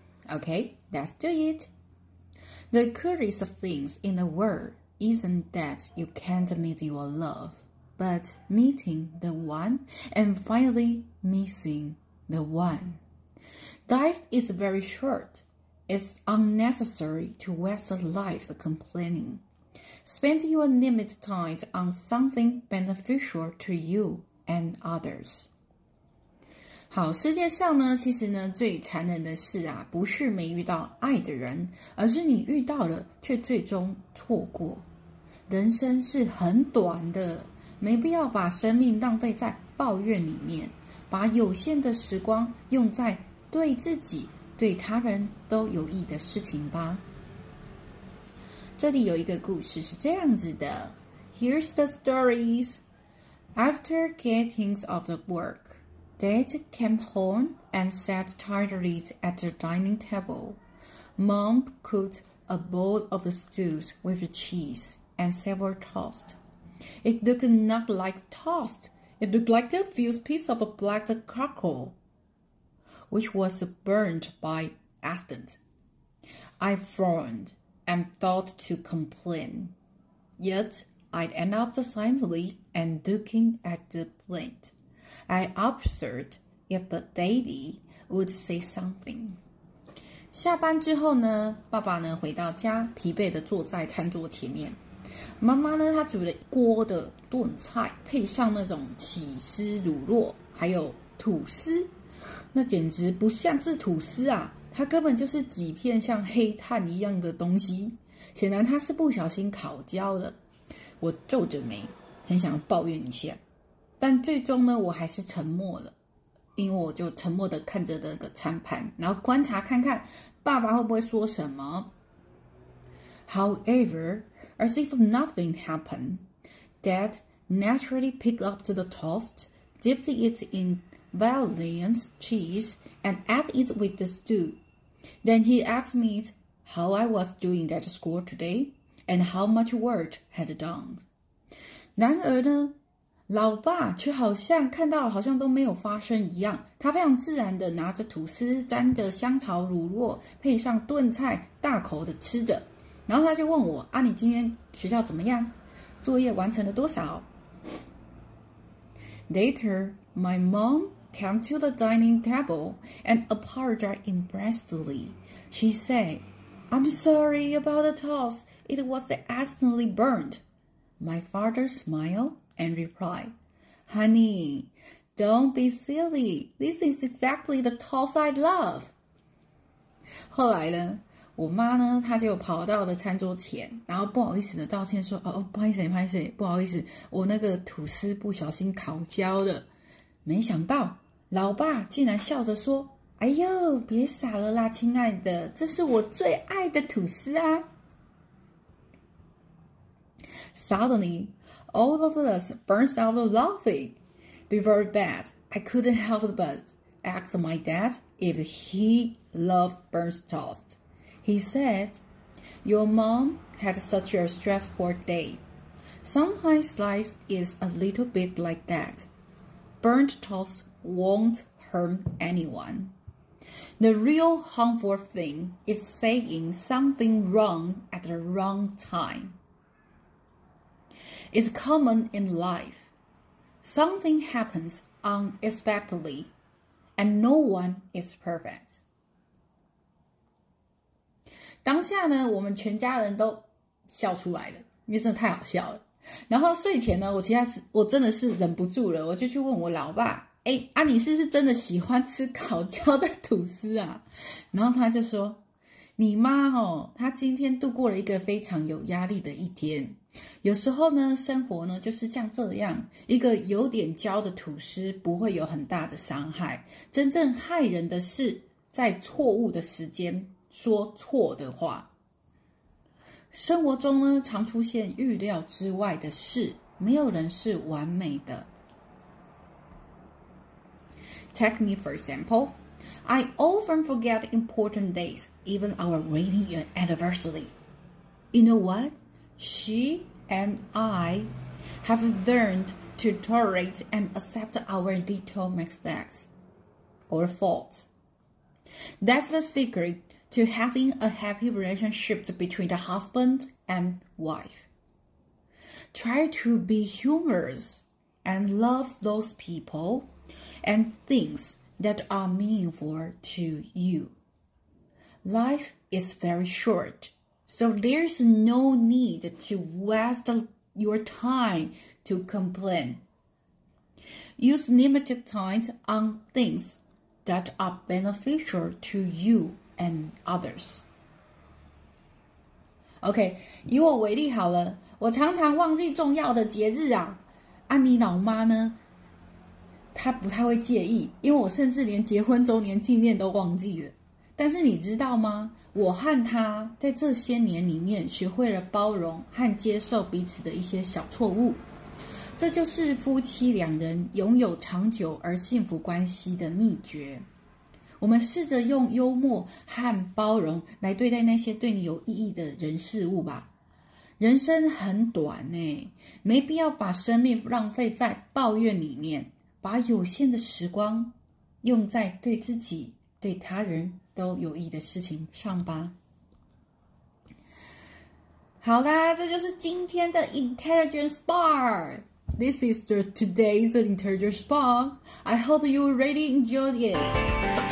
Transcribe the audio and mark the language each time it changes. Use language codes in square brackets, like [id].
[en] Okay, let's do it. The curious things in the world isn't that you can't meet your love, but meeting the one and finally missing the one. Life is very short. It's unnecessary to waste a life complaining. Spend your limited time on something beneficial to you and others. [zh] 好，世界上呢，其实呢，最残忍的事啊，不是没遇到爱的人，而是你遇到了却最终错过。人生是很短的，没必要把生命浪费在抱怨里面，把有限的时光用在对自己对他人都有益的事情吧。这里有一个故事是这样子的。 [en] Here's the stories. After getting off the work, Dad came home and sat tiredly at the dining table. Mom cooked a bowl of stews with cheese and several toast. It looked not like toast. It looked like a few pieces of black charcoal. Which was burned by accident. I frowned and thought to complain. Yet, I end up silently and looking at the plate. I observed if the daddy would say something. [zh] 下班之后呢，爸爸呢回到家，疲惫地坐在餐桌前面。妈妈呢，她煮了一锅的炖菜，配上那种起司乳酪，还有吐司。那简直不像是吐司啊，它根本就是几片像黑炭一样的东西，显然它是不小心烤焦的。我皱着眉，很想抱怨一下，但最终呢，我还是沉默了，因为我就沉默地看着那个餐盘，然后观察看看爸爸会不会说什么。 [en] However, as if nothing happened, Dad naturally picked up the toast, dipped it inValiant's cheese and add it with the stew. Then he asked me how I was doing at school today and how much work had done. [zh] 然而呢，老爸却好像看到好像都没有发生一样，他非常自然地拿着吐司沾着香草乳酪配上炖菜大口地吃着，然后他就问我啊，你今天学校怎么样，作业完成了多少。 [en] Later, my momcame to the dining table and apologized embarrassedly. She said, I'm sorry about the toast. It was accidentally burned. My father smiled and replied, Honey, don't be silly. This is exactly the toss I love. [zh] 后来呢，我妈呢，她就跑到了餐桌前，然后不好意思的道歉说，哦，不好意思，不好意思，不好意思，我那个吐司不小心烤焦了。没想到，老爸竟然笑着说，哎呦，别傻了啦，亲爱的，这是我最爱的吐司啊。 [en] Suddenly, all of us burst out laughing. Before that, I couldn't help but ask my dad if he loved burnt toast. He said, Your mom had such a stressful day. Sometimes life is a little bit like that. Burnt toast won't harm anyone. The real harmful thing is saying something wrong at the wrong time. It's common in life. Something happens unexpectedly, and no one is perfect. [zh] 当下呢，我们全家人都笑出来了，因为真的太好笑了。然后睡前呢，我真的是忍不住了，我就去问我老爸，哎，啊，你是不是真的喜欢吃烤焦的吐司啊？然后他就说，你妈哦，她今天度过了一个非常有压力的一天。有时候呢，生活呢就是像这样，一个有点焦的吐司不会有很大的伤害，真正害人的是在错误的时间说错的话。生活中呢，常出现预料之外的事，没有人是完美的。 [en] Take me for example, I often forget important days, even our wedding anniversary. You know what? She and I have learned to tolerate and accept our little mistakes or faults. That's the secret to having a happy relationship between the husband and wife. Try to be humorous and love those people and things that are meaningful to you. Life is very short. So there's no need to waste your time to complain. Use limited time on things that are beneficial to you and others. [zh] OK, 以我为例好了，我常常忘记重要的节日啊。啊，你老妈呢？她不太会介意，因为我甚至连结婚周年纪念都忘记了。但是你知道吗？我和他在这些年里面学会了包容和接受彼此的一些小错误，这就是夫妻两人拥有长久而幸福关系的秘诀。我们试着用幽默和包容来对待那些对你有意义的人事物吧。人生很短欸，没必要把生命浪费在抱怨里面，把有限的时光用在对自己、对他人都有益的事情上吧。好啦，这就是今天的 Intelligence Bar. [en] This is today's Intelligence Bar. I hope you really enjoyed it.